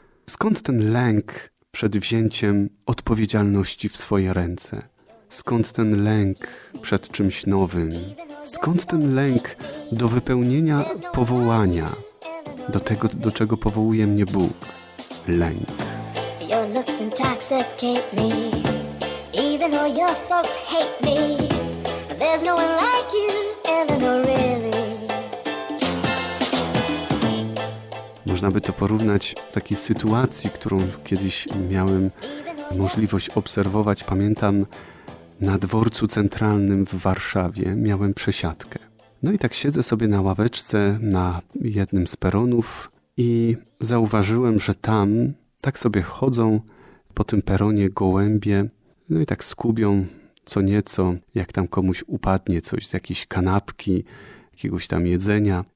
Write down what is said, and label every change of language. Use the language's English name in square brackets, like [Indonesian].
[Polish] Skąd ten lęk przed wzięciem odpowiedzialności w swoje ręce? Skąd ten lęk przed czymś nowym? Skąd ten lęk do wypełnienia powołania? Do tego, do czego powołuje mnie Bóg? Lęk. [English] Your looks intoxicate me. Even though your folks hate me. There's no one like you, Eleanor, really. [Polish] Można by to porównać w takiej sytuacji, którą kiedyś miałem możliwość obserwować. Pamiętam, na dworcu centralnym w Warszawie miałem przesiadkę. No i tak siedzę sobie na ławeczce na jednym z peronów i zauważyłem, że tam tak sobie chodzą po tym peronie gołębie, no i tak skubią co nieco, jak tam komuś upadnie coś z jakiejś kanapki, jakiegoś tam jedzenia.